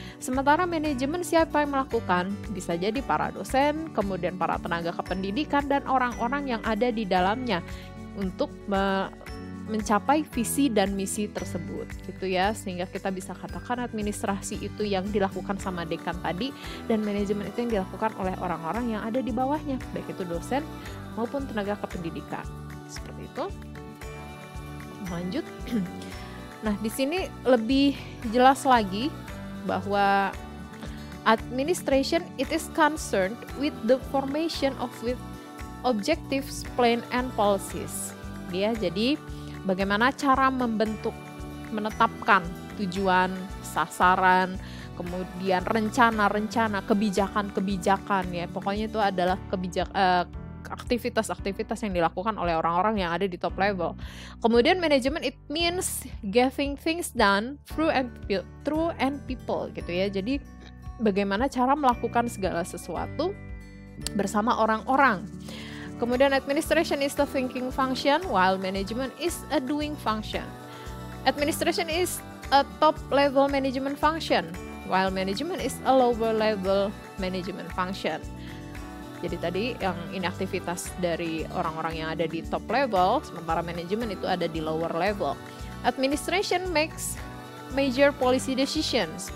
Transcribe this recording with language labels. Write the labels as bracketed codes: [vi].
[id] Sementara manajemen siapa yang melakukan? Bisa jadi para dosen, kemudian para tenaga kependidikan dan orang-orang yang ada di dalamnya untuk mencapai visi dan misi tersebut, gitu ya. Sehingga kita bisa katakan administrasi itu yang dilakukan sama dekan tadi dan manajemen itu yang dilakukan oleh orang-orang yang ada di bawahnya, baik itu dosen maupun tenaga kependidikan. Seperti itu. Lanjut. Nah, di sini lebih jelas lagi bahwa [en] administration it is concerned with the formation of with objectives, plan and policies. [id] Ya, jadi bagaimana cara membentuk menetapkan tujuan, sasaran, kemudian rencana-rencana, kebijakan-kebijakan ya. Pokoknya itu adalah aktivitas-aktivitas yang dilakukan oleh orang-orang yang ada di top level. Kemudian manajemen [en] it means getting things done through and people [id] gitu ya. Jadi bagaimana cara melakukan segala sesuatu bersama orang-orang. [en] Kemudian administration is the thinking function while management is a doing function. Administration is a top level management function while management is a lower level management function. [id] Jadi tadi yang ini aktivitas dari orang-orang yang ada di top level, sementara manajemen itu ada di lower level. [en] Administration makes major policy decisions.